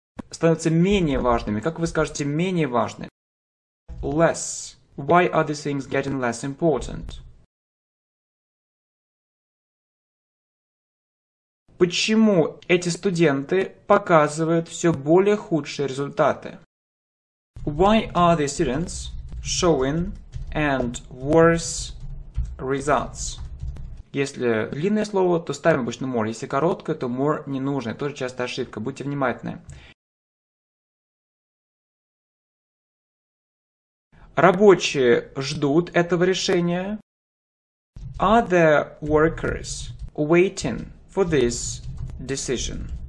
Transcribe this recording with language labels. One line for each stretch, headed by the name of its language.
Russian: Становятся менее важными. Как вы скажете менее важными?
English: Less. Why are these things getting less important?
Russian: Почему эти студенты показывают все более худшие результаты?
English: Why are the students showing and worse results?
Russian: Если длинное слово, то ставим обычно more. Если короткое, то more не нужно. Тоже частая ошибка. Будьте внимательны. Рабочие ждут этого решения.
English: Are the workers waiting for this decision?